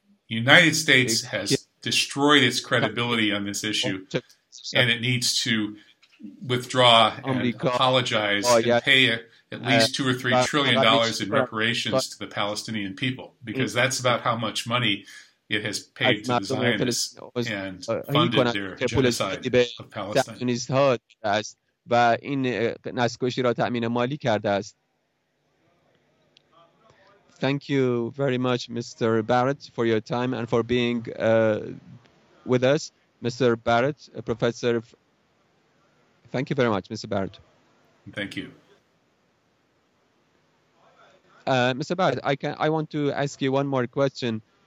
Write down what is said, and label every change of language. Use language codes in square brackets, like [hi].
[en] The United States has destroyed its credibility on this issue, and it needs to withdraw and apologize and pay at least $2 or $3 trillion in reparations to the Palestinian people, because that's about how much money it has paid to the Zionists and funded their genocide of Palestine. [fa] و این نسکشی را تأمین مالی کرده است. [en] Thank you very much, Mr. Barrett, for your time and for being with us. Mr. Barrett, Professor, thank you very much, Mr. Barrett. Thank you. Mr. Barrett, I want to ask you one more question.